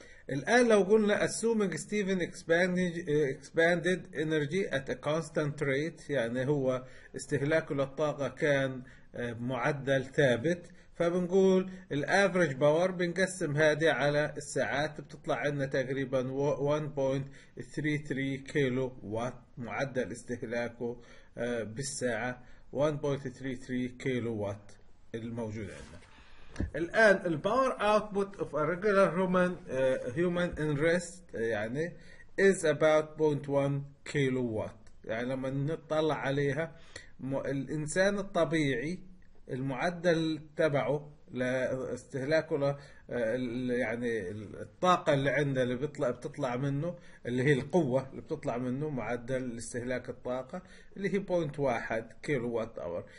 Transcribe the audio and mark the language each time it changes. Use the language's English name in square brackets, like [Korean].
[Arabic] الآن لو قلنا [English] assuming Stephen expanded energy at a constant rate، [Arabic] يعني هو استهلاكه للطاقة كان معدل ثابت، فبنقول ال average power، بنقسم هذه على الساعات، بتطلع عندنا تقريبا 1.33 كيلو وات معدل استهلاكه بالساعة، 1.33 كيلو وات الموجود عندنا. الآن الـ [English] power output of a regular human in rest [Arabic] يعني [English] is about 0.1 [Arabic] كيلو وات. يعني لما نطلع عليها الإنسان الطبيعي المعدل تبعه لاستهلاكه يعني الطاقة اللي عنده اللي بتطلع منه، اللي هي القوة اللي بتطلع منه، معدل استهلاك الطاقة اللي هي 0.1 كيلو وات أور.